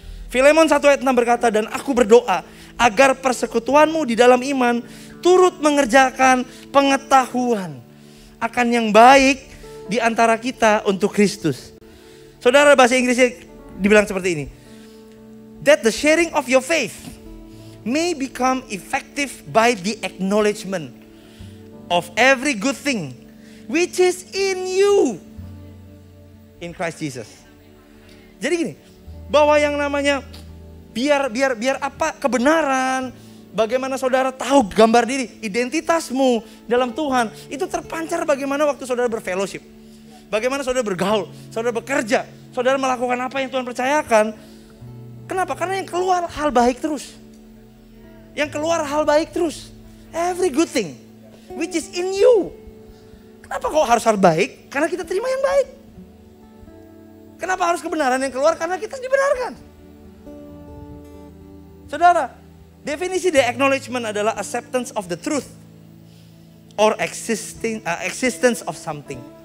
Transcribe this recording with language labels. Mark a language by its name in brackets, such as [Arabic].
[Indonesian] Filemon 1 ayat 6 berkata, dan aku berdoa agar persekutuanmu di dalam iman turut mengerjakan pengetahuan akan yang baik di antara kita untuk Kristus. Saudara, bahasa Inggrisnya dibilang seperti ini. [English] That the sharing of your faith may become effective by the acknowledgement of every good thing which is in you in Christ Jesus. [Indonesian] Jadi gini, bahwa yang namanya biar apa kebenaran, bagaimana saudara tahu gambar diri, identitasmu dalam Tuhan, itu terpancar bagaimana waktu saudara berfellowship. Bagaimana saudara bergaul, saudara bekerja, saudara melakukan apa yang Tuhan percayakan. Kenapa? Karena yang keluar hal baik terus. Yang keluar hal baik terus. [English] Every good thing which is in you. [Indonesian] Kenapa kok harus hal baik? Karena kita terima yang baik. Kenapa harus kebenaran yang keluar? Karena kita dibenarkan. Saudara, definisi [English] the acknowledgement [Indonesian] adalah [English] acceptance of the truth or existence of something.